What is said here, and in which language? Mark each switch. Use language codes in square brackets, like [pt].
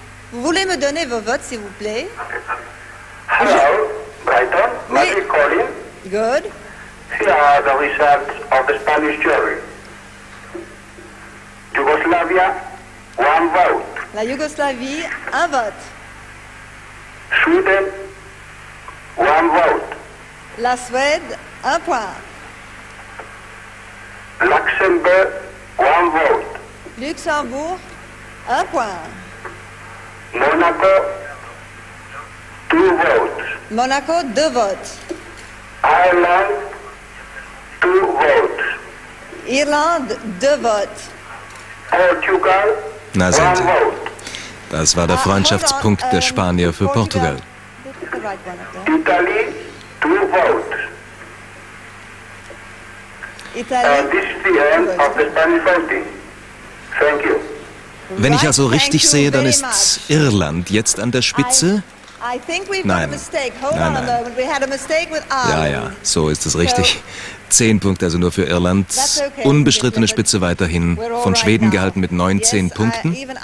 [fr] Vous voulez me donner vos votes, s'il vous plaît? [en] Hello, Brighton. Madrid oui. Calling. Good. Here are the results of the Spanish jury. Yugoslavia, 1 vote. [fr] La Yougoslavie, 1 vote. [en] Sweden, 1 vote. [fr] La Suède, 1 point. [en] Luxembourg, 1 vote. [fr] Luxembourg, 1 point. [en] Monaco, 2 votes. [fr] Monaco, 2 votes. [en] Ireland, 2 votes. [fr] Irlande, 2 votes. [en] Portugal, 1 vote. [de] Das war der Freundschaftspunkt der Spanier für Portugal. [en] like one of them. Italy, 2 votes. Italy, and this is the end of the Spanish voting. Thank you. [de] Wenn ich also richtig sehe, dann ist Irland jetzt an der Spitze. Nein, nein, nein. Ja, ja, so ist es richtig. 10 Punkte also nur für Irland. Unbestrittene Spitze weiterhin, von Schweden gehalten mit 19 Punkten.